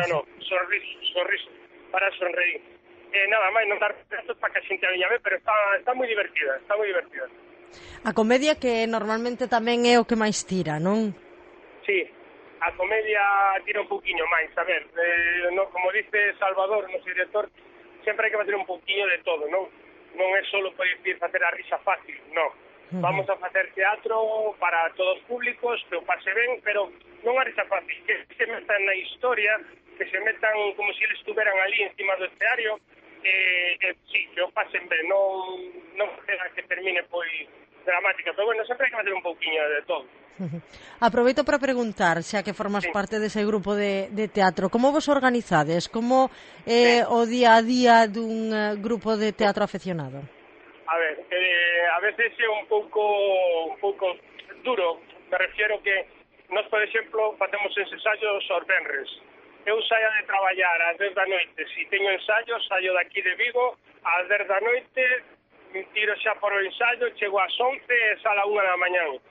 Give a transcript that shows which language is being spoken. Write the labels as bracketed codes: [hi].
[gl] Non, sonriso, para sonreír. Nada máis, non dar textos para que a xente a viña ve, pero está moi divertida, está moi divertida. A comedia que normalmente tamén é o que máis tira, non? Sí, a comedia tira un poquinho máis, [es] a ver, no, como dice Salvador, nuestro director, siempre hay que hacer un poquinho de todo, ¿no? No es solo por decir, hacer la risa fácil, no. Vamos a hacer teatro para todos públicos, que pase bien, pero no una risa fácil, que se metan en la historia, que se metan como si estuvieran allí encima del escenario, sí, que pasen bien, no sea que termine pues dramática, pero bueno, siempre hay que hacer un poquinho de todo. [gl] Aproveito para preguntar, xa que formas parte dese grupo de teatro, como vos organizades? Como o día a día dun grupo de teatro aficionado? A ver, a veces é un pouco duro. Me refiero que nós, por exemplo, facemos ensaios aos venres. Eu saio de traballar ás 10 da noite. Se teño ensaios, saio daqui de Vigo ás 10 da noite, tiro xa por o ensaio, chego ás 11, sal a 1 da mañá.